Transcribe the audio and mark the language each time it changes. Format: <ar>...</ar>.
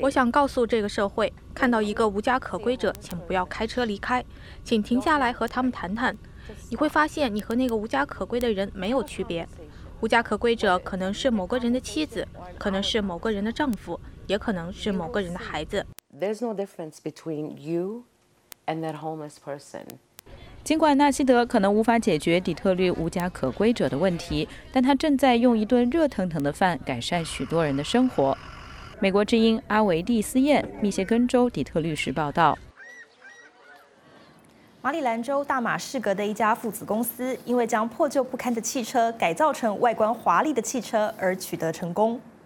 <zh>我想告诉这个社会，看到一个无家可归者，请不要开车离开，请停下来和他们谈谈。你会发现你和那个无家可归的人没有区别。无家可归者可能是某个人的妻子，可能是某个人的丈夫，也可能是某个人的孩子。</zh> <en>There's no difference between you and that homeless person.</en> <zh>尽管纳希德可能无法解决底特律无家可归者的问题，但他正在用一顿热腾腾的饭改善许多人的生活。美国之音阿维蒂斯燕，密歇根州底特律市报道。马里兰州大马士革的一家父子公司因为将破旧不堪的汽车改造成外观华丽的汽车而取得成功。</zh>